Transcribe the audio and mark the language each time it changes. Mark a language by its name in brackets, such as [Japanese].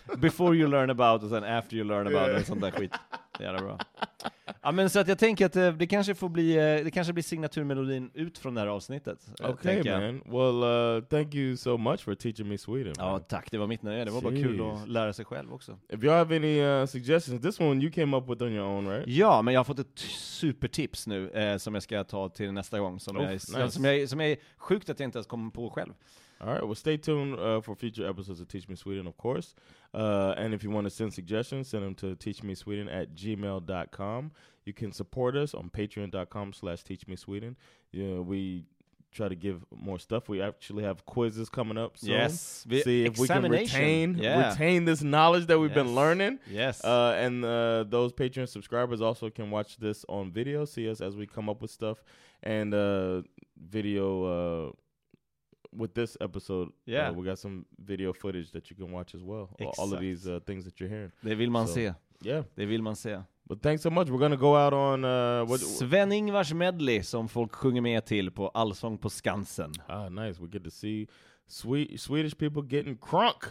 [English] Before you learn about [Swedish] och sen [English] after you learn about [Swedish] och sånt där skit. Jävla bra. Ja, men så att jag tänker att det kanske får bli det kanske blir signaturmelodin ut från det här avsnittet. [English] Okay, man. Well, thank you so much for teaching me Sweden. [Swedish] Ja, tack. Det var mitt nöje. Det var bara kul att lära sig själv också. [English] If you have any suggestions, this one you came up with on your own, right? [Swedish] Ja, men jag har fått ett supertips nu som jag ska ta till nästa gång som jag är sjukt att jag inte ens kom på själv. [English] All right, well, stay tuned for future episodes of Teach Me Sweden, of course. And if you want to send suggestions, send them to teachmesweden@gmail.com. You can support us on patreon.com/teachmesweden. You know, we try to give more stuff. We actually have quizzes coming up soon. Yes. See if we can retain this knowledge that we've been learning. Yes. And those Patreon subscribers also can watch this on video, see us as we come up with stuff, and video... with this episode, we got some video footage that you can watch as well. [Swedish] Exakt. [English] All of these things that you're hearing. [Swedish] Det vill man se. [English] Yeah. [Swedish] Det vill man se. [English] But thanks so much. We're going to go out on... [Swedish] Sven-Ingvars medley som folk sjunger med till på Allsång på Skansen. [English] Ah, nice. We get to see Swedish people getting crunk.